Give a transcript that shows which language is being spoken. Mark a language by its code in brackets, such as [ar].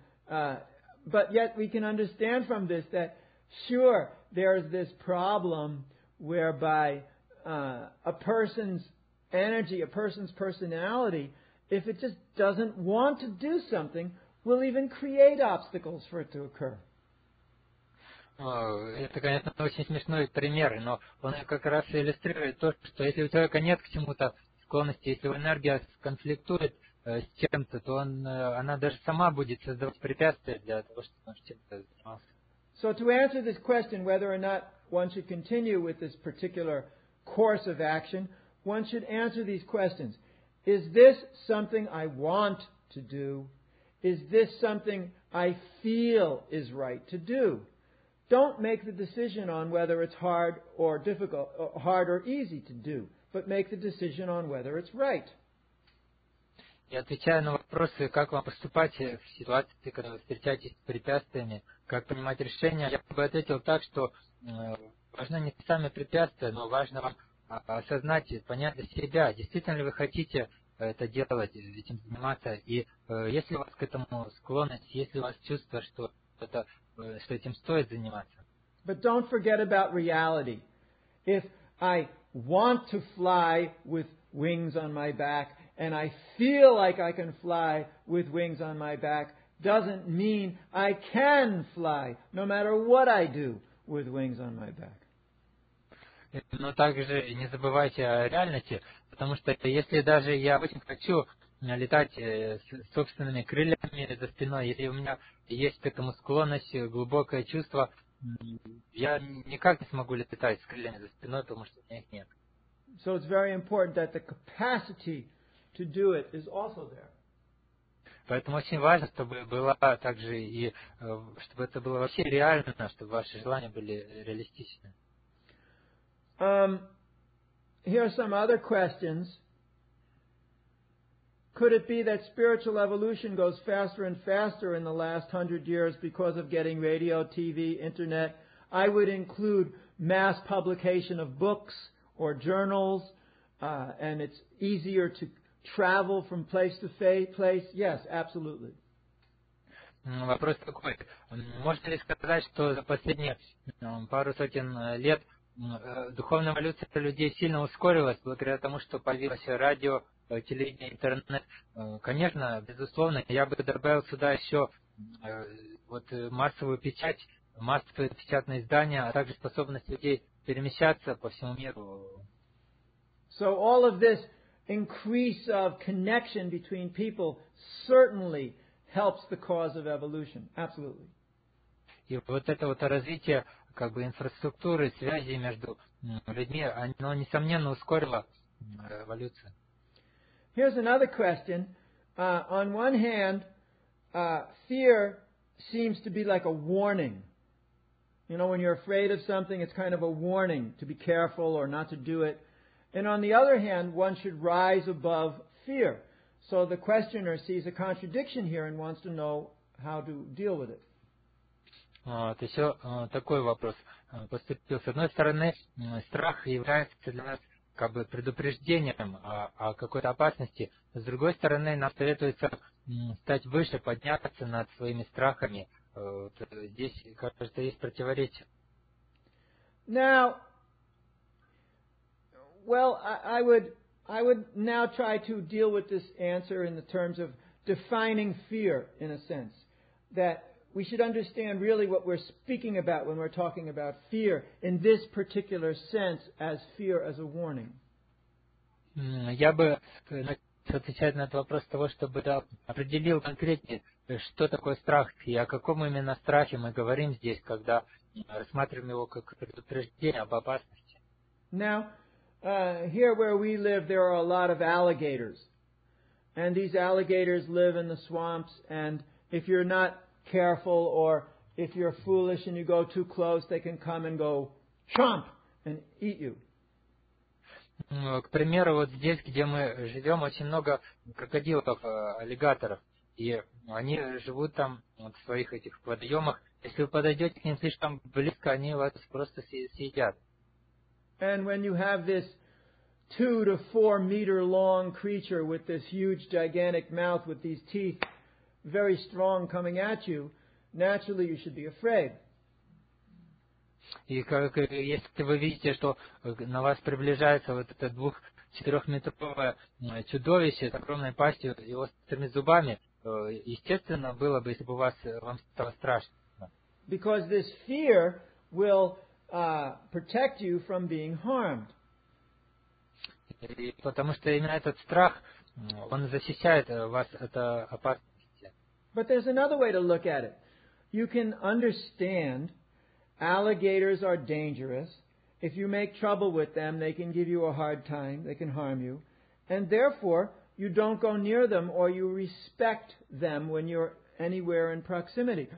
[en] But yet we can understand from this that, sure, there is this problem whereby a person's energy, a person's personality, if it just doesn't want to do something, will even create obstacles for it to occur. [ru] Это, конечно, очень смешной пример, но он как раз иллюстрирует то, что если у человека нет к чему-то склонности, если его энергия конфликтует с чем-то, то она даже сама будет создавать препятствия для того, чтобы он чем-то занимался. [en] So to answer this question, whether or not one should continue with this particular course of action, one should answer these questions. Is this something I want to do? Is this something I feel is right to do? Don't make the decision on whether it's hard or difficult, hard or easy to do, but make the decision on whether it's right. [ru] И отвечая на вопросы, как вам поступать в ситуации, когда вы встречаетесь с препятствиями, как принимать решения, я бы ответил так, что важно не сами препятствия, но важно вам осознать, понять для себя, действительно ли вы хотите это делать, этим заниматься, и есть ли у вас к этому склонность, есть ли у вас чувство, что это, что этим стоит заниматься. [en] But don't forget about reality. If I want to fly with wings on my back, and I feel like I can fly with wings on my back, doesn't mean I can fly, no matter what I do with wings on my back. [ru] Но также не забывайте о реальности, потому что если даже я очень хочу летать собственными крыльями за спиной, если у меня есть к этому склонность, глубокое чувство, я никак не смогу летать с крыльями за спиной, потому что у меня их нет. [en] So it's very important that the capacity to do it is also there. [ru] Поэтому очень важно, чтобы было также и чтобы это было вообще реально, чтобы ваши желания были реалистичны. [en] Here are some other questions. Could it be that spiritual evolution goes faster and faster in the last 100 years because of getting radio, TV, internet? I would include mass publication of books or journals, and it's easier to travel from place to place. Yes, absolutely. [ru] Вопрос такой. Можно ли сказать, что за последние пару сотен лет духовная эволюция людей сильно ускорилась благодаря тому, что появилось радио, телевидение, интернет? Конечно, безусловно, я бы добавил сюда еще вот массовую печать, массовые печатные издания, а также способность людей перемещаться по всему миру. [en] So all of this increase of connection between people certainly helps the cause of evolution. Absolutely. [ru] И вот это вот развитие как бы инфраструктуры, связи между людьми, оно несомненно ускорило эволюцию. [en] Here's another question. On one hand, fear seems to be like a warning. You know, when you're afraid of something, it's kind of a warning to be careful or not to do it. And on the other hand, one should rise above fear. So the questioner sees a contradiction here and wants to know how to deal with it. [ru] Вот еще такой вопрос поступил. С одной стороны, страх является для нас как бы предупреждением о какой-то опасности. С другой стороны, нам советуется стать выше, подняться над своими страхами. Здесь, кажется, есть противоречие. [en] Now, well, I would now try to deal with this answer in the terms of defining fear, in a sense, that we should understand really what we're speaking about when we're talking about fear in this particular sense as fear as a warning. [ru] Я бы начал отвечать на этот вопрос того, чтобы определил конкретнее, что такое страх и о каком именно страхе мы говорим здесь, когда рассматриваем его как предупреждение об опасности. [en] Now, here where we live, there are a lot of alligators. And these alligators live in the swamps, and if you're not careful or if you're foolish and you go too close, they can come and go chomp and eat you. [ru] К примеру, вот здесь, где мы живем, очень много крокодилов, аллигаторов, и они живут там вот, в своих этих водоемах. Если вы подойдете к ним слишком близко, они вас просто съедят. [en] And when you have this 2 to 4 meter long creature with this huge gigantic mouth with these teeth very strong coming at you, naturally you should be afraid. [ru] И как, если вы видите, что на вас приближается вот это 2-4-метровое чудовище с огромной пастью и острыми зубами, естественно было бы, если бы вам стало страшно. [en] Because this fear will protect you from being harmed. [ru] И потому что именно этот страх, он защищает вас от опасности. [en] But there's another way to look at it. You can understand alligators are dangerous. If you make trouble with them, they can give you a hard time. They can harm you. And therefore, you don't go near them or you respect them when you're anywhere in proximity.